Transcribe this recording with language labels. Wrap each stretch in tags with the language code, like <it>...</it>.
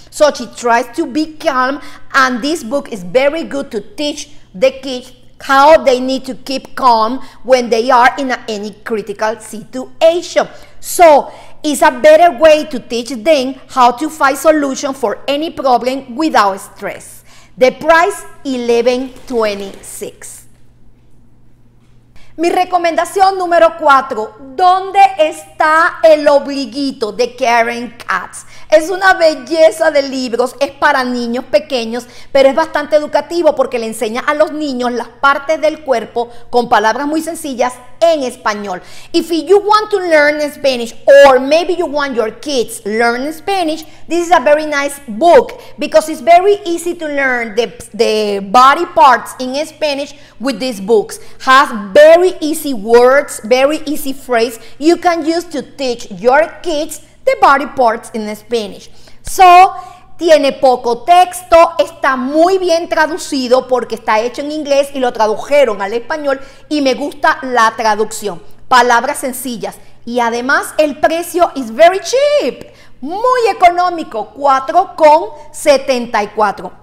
<en>So she tries to be calm, and this book is very good to teach the kids how they need to keep calm when they are in any critical situation. So it's a better way to teach them how to find solution for any problem without stress. The price, $11.26.</en> <es>Mi recomendación número 4, ¿dónde está el obliguito de Karen Katz? Es una belleza de libros, es para niños pequeños, pero es bastante educativo porque le enseña a los niños las partes del cuerpo con palabras muy sencillas en español.</es> <en>If you want to learn Spanish, or maybe you want your kids to learn Spanish, this is a very nice book because it's very easy to learn the body parts in Spanish with these books. Has very easy words, very easy phrase you can use to teach your kids the body parts in Spanish.</en> <es>So, tiene poco texto, está muy bien traducido porque está hecho en inglés y lo tradujeron al español y me gusta la traducción. Palabras sencillas. Y además el precio</es> <en>is very cheap,</en> <es>muy económico, 4.74.</es>